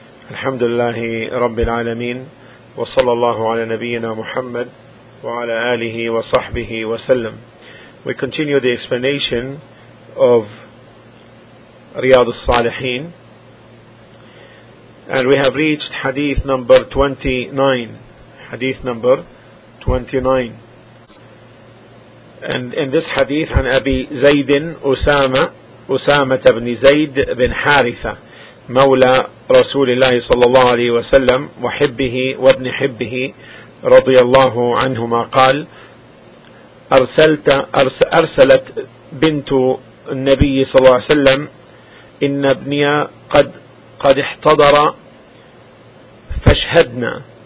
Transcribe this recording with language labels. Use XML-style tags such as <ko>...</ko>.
<ar>الحمد لله رب العالمين، وصلى الله على نبينا محمد وعلى آله وصحبه وسلم.</ar> <en>We continue the explanation of رياض الصالحين, and we have reached hadith number 29. Hadith number 29. And in this hadith,</en> <ar>عن أبي زيد أسامة بن زيد بن حارثة مولى رسول الله صلى الله عليه وسلم وحبه وابن حبه رضي الله عنهما قال أرسلت بنت النبي صلى الله عليه وسلم إن ابني قد احتضر فاشهدنا.</ar>